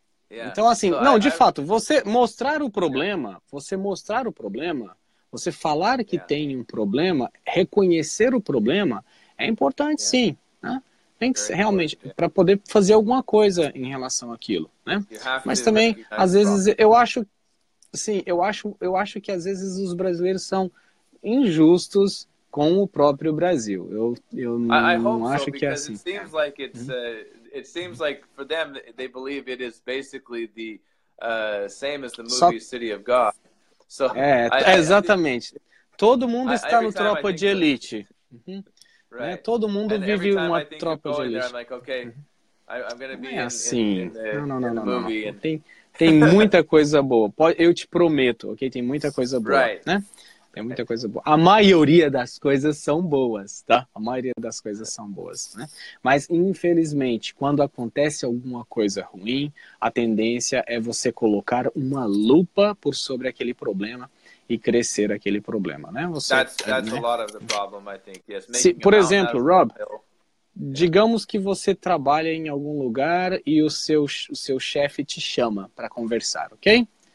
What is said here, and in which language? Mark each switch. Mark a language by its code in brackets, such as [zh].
[pt] Então, assim, você mostrar o problema, você falar que tem um problema, reconhecer o problema, é importante sim, né? Tem que ser realmente para poder fazer alguma coisa em relação àquilo, né? Mas também, às vezes, eu acho que às vezes os brasileiros são injustos com o próprio Brasil. Eu acho que é assim. [en] It seems like it seems like for them they believe it is basically the same as the movie City of God. [pt] So, exatamente. Todo mundo está no tropa de elite. [en] Right. [pt] Né? Todo mundo [en] and [pt] vive uma tropa de elite. Tem muita coisa boa. Eu te prometo, ok? Tem muita coisa boa, né? Tem muita coisa boa. A maioria das coisas são boas, tá? A maioria das coisas são boas, né? Mas, infelizmente, quando acontece alguma coisa ruim, a tendência é você colocar uma lupa por sobre aquele problema e crescer aquele problema, né? [en] That's a lot of the problem, I think. Yes. [pt] Se, por exemplo, Rob, digamos que você trabalha em algum lugar e o seu chefe te chama para conversar, ok?